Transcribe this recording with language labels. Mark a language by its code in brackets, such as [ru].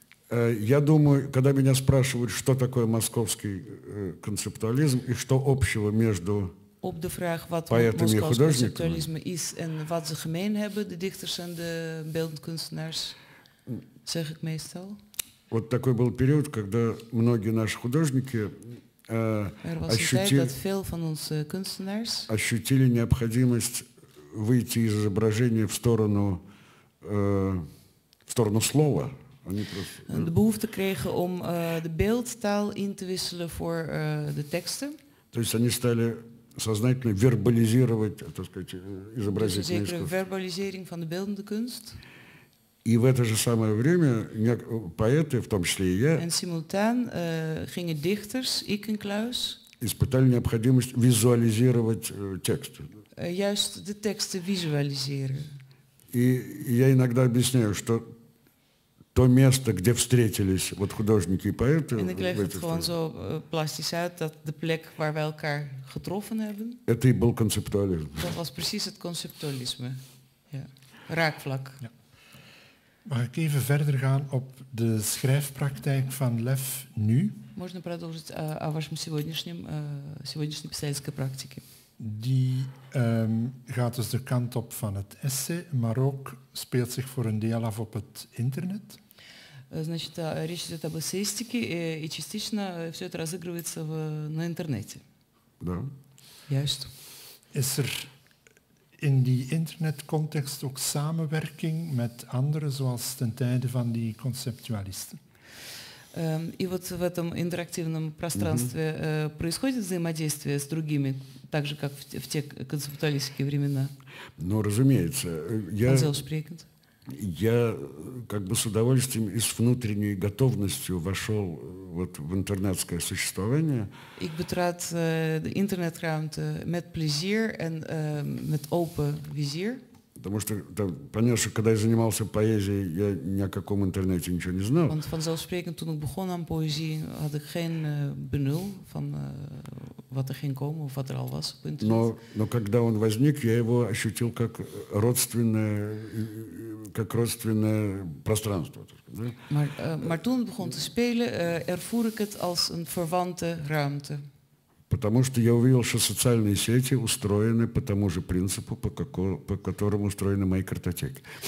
[ru] Я думаю, когда меня спрашивают, что такое московский концептуализм и что общего между поэтами и художниками, вот такой был период, когда многие наши художники ощутили необходимость выйти из изображения в сторону слова. [nl] De behoefte kregen om de beeldtaal in te wisselen voor de teksten. Dus ze stelden [ru] сознательно вербализировать, так сказать, изобразительное искусство. [nl] Zekere verbalisering van de beeldende kunst. [ru] И в это же самое время поэты, в том числе и я, [nl] en simultaan gingen dichters, ik en Kluis, [ru] испытали необходимость визуализировать тексты. [nl] Juist de teksten visualiseren. [ru] И я иногда объясняю, что то место, где встретились вот художники и поэты, это и был концептуализм. [nl] Dat was precies het conceptualisme. Ja. Raakvlak. Ja. Mag ik even verder gaan op de schrijfpraktijk van Lev nu? [ru] Можно продолжить о вашем сегодняшней писательской практике. [nl] Die gaat dus de kant op van het essay, maar ook speelt zich voor een deel af op het internet. [ru] Значит, речь идет об эссеистике, и частично все это разыгрывается на интернете. Да. [nl] Juist. Is er in die internetcontext ook samenwerking met anderen, zoals ten tijde van die conceptualisten? [ru] И вот в этом интерактивном пространстве происходит взаимодействие с другими, так же, как в те концептуалистические времена? Ну, разумеется. Я как бы с удовольствием и с внутренней готовностью вошел вот в интернетское существование. [nl] Ik betrad internetruimte met plezier en met open vizier. [ru] Потому что, да, понятно, что когда я занимался поэзией, я ни о каком интернете ничего не знал. [nl] Want vanzelfsprekend toen ik begon aan poëzie had ik geen benul van wat er ging komen of wat er al was op internet. [ru] Но когда он возник, я его ощутил как родственное, пространство. [nl] Maar toen het begon te spelen, ervoer ik het als een verwante ruimte. [ru] Потому что я увидел, что социальные сети устроены по тому же принципу, по которому устроены мои картотеки.